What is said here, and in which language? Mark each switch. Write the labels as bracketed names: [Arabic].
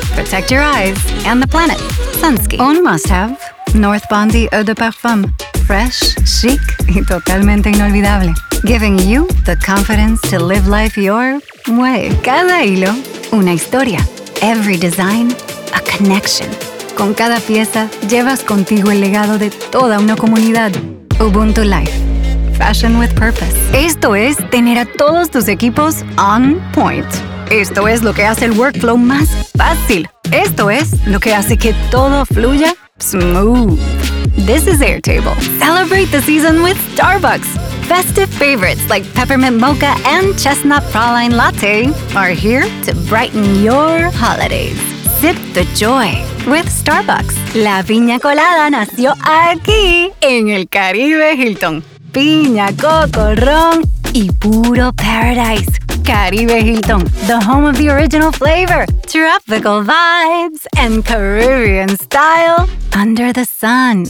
[English] Protect your eyes and the planet. Sunski. Un must-have. [Spanish] North Bondi Eau de Parfum. [English] Fresh, chic, [Spanish] y totalmente inolvidable. [English] Giving you the confidence to live life your way. [Spanish] Cada hilo, una historia. [English] Every design, a connection. [Spanish] Con cada pieza, llevas contigo el legado de toda una comunidad. Ubuntu Life. [English] Fashion with purpose. [Spanish] Esto es tener a todos tus equipos [English] on point. [Spanish] Esto es lo que hace el workflow más fácil. Esto es lo que hace que todo fluya smooth. [English] This is Airtable. Celebrate the season with Starbucks. Festive favorites like peppermint mocha and chestnut praline latte are here to brighten your holidays. Sip the joy with Starbucks. [Spanish] La piña colada nació aquí en el Caribe Hilton. Piña, coco, ron y puro paradise. [English] Caribe Hilton, the home of the original flavor, tropical vibes, and Caribbean style under the sun.